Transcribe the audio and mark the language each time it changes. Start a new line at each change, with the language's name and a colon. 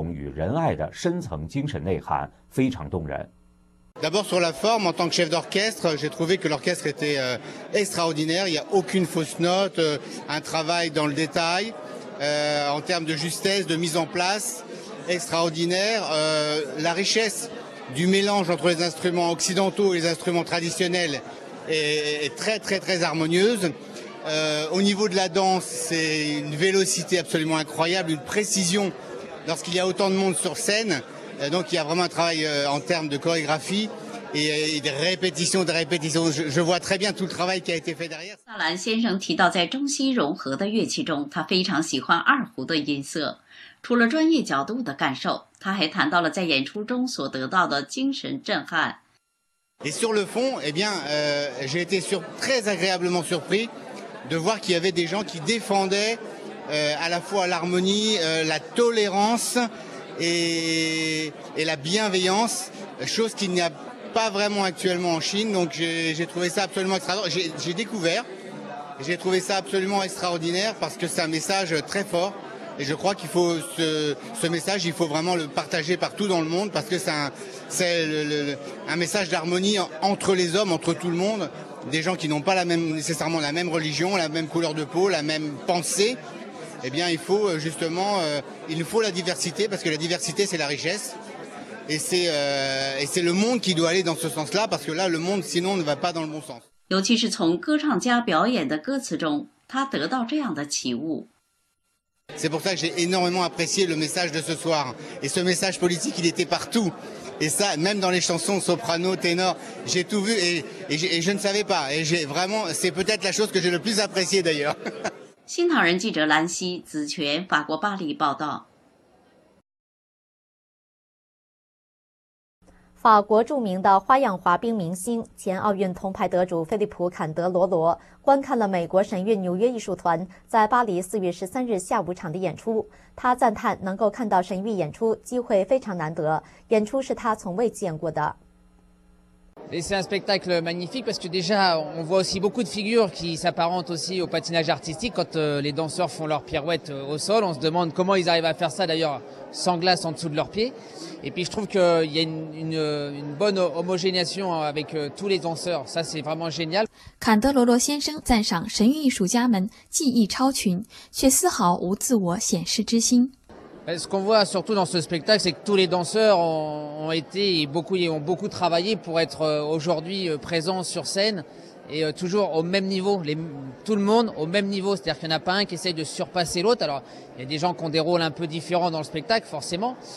Chinese: 4月12日，观看了神韵纽约艺术团表演的法国著名指挥家理查德·布达汉表示，神韵的现场乐团完美融合了东西方乐器，表现完美无瑕。演出本身则传递了包容与仁爱的深层精神内涵，非常动人。
French: D'abord sur la forme, en tant que chef d'orchestre, j'ai trouvé que l'orchestre était extraordinaire. Il n'y a aucune fausse note, un travail dans le détail, en termes de justesse, de mise en place. Extraordinaire, la richesse du mélange entre les instruments occidentaux et les instruments traditionnels est très très très harmonieuse. Au niveau de la danse, c'est une vélocité absolument incroyable, une précision lorsqu'il y a autant de monde sur scène. Donc il y a vraiment un travail en termes de chorégraphie et de répétition, de répétition. Je vois très bien tout le travail qui a été fait derrière.
Chinese: 萨兰先生提到，在中西融合的乐器中，他非常喜欢二胡的音色。除了专业角度的感受，他还谈到了在演出中所得到的精神震撼。
French: Et sur le fond, eh bien, j'ai été très agréablement surpris de voir qu'il y avait des gens qui défendaient à la fois l'harmonie, la tolérance et la bienveillance, chose qu'il n'y a pas vraiment actuellement en Chine. Donc j'ai trouvé ça absolument extraordinaire. J'ai trouvé ça absolument extraordinaire parce que c'est un message très fort. Et je crois qu'il faut ce message, il faut vraiment le partager partout dans le monde parce que c'est un message d'harmonie entre les hommes, entre tout le monde, des gens qui n'ont pas nécessairement la même religion, la même couleur de peau, la même pensée. Eh bien, il faut justement, il nous faut la diversité parce que la diversité, c'est la richesse. Et c'est le monde qui doit aller dans ce sens-là parce que là, le monde, sinon, ne va pas dans le bon sens.
Chinese: 尤其是从歌唱家表演的歌词中，他得到这样的启悟。
French: C'est pour ça que j'ai énormément apprécié le message de ce soir. Et ce message politique, il était partout. Et ça, même dans les chansons soprano, ténor, j'ai tout vu et je ne savais pas. Et vraiment, c'est peut-être la chose que j'ai le plus appréciée d'ailleurs.
Chinese: 新唐人记者兰西、子权，法国巴黎报道。法国著名的花样滑冰明星、前奥运铜牌得主菲利普·坎德罗罗观看了美国神韵纽约艺术团在巴黎4月13日下午场的演出。他赞叹能够看到神韵演出机会非常难得，演出是他从未见过的。
French: C'est un spectacle magnifique parce que déjà on voit aussi beaucoup de figures qui s'apparentent aussi au patinage artistique. Quand les danseurs font leurs pirouettes au sol, on se demande comment ils arrivent à faire ça d'ailleurs sans glace en dessous de leurs pieds. Et puis je trouve qu'il y a une bonne homogénéisation avec tous les danseurs. Ça c'est vraiment génial.
Chinese: 坎德罗罗先生赞赏神韵艺术家们技艺超群，却丝毫无自我显示之心。
French: Ce qu'on voit surtout dans ce spectacle, c'est que tous les danseurs ont été et ont beaucoup travaillé pour être aujourd'hui présents sur scène et toujours au même niveau, tout le monde au même niveau. C'est-à-dire qu'il n'y en a pas un qui essaye de surpasser l'autre. Alors, il y a des gens qui ont des rôles un peu différents dans le spectacle, forcément.